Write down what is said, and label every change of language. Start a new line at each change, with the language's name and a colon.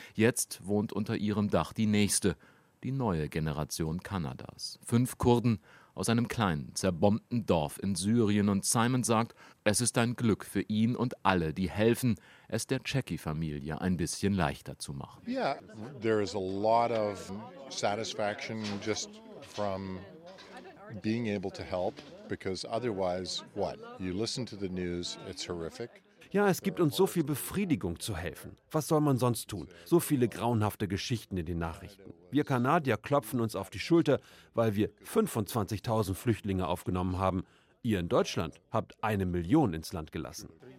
German: Jetzt wohnt unter ihrem Dach die nächste, die neue Generation Kanadas. 5 Kurden aus einem kleinen, zerbombten Dorf in Syrien. Und Simon sagt, es ist ein Glück für ihn und alle, die helfen, es der Czechi-Familie ein bisschen leichter zu machen.
English: Ja, there is a lot of satisfaction just from being able to help, because otherwise, what? You listen to the news, it's horrific.
German: Ja, es gibt uns so viel Befriedigung zu helfen. Was soll man sonst tun? So viele grauenhafte Geschichten in den Nachrichten. Wir Kanadier klopfen uns auf die Schulter, weil wir 25.000 Flüchtlinge aufgenommen haben. Ihr in Deutschland habt 1 Million ins Land gelassen.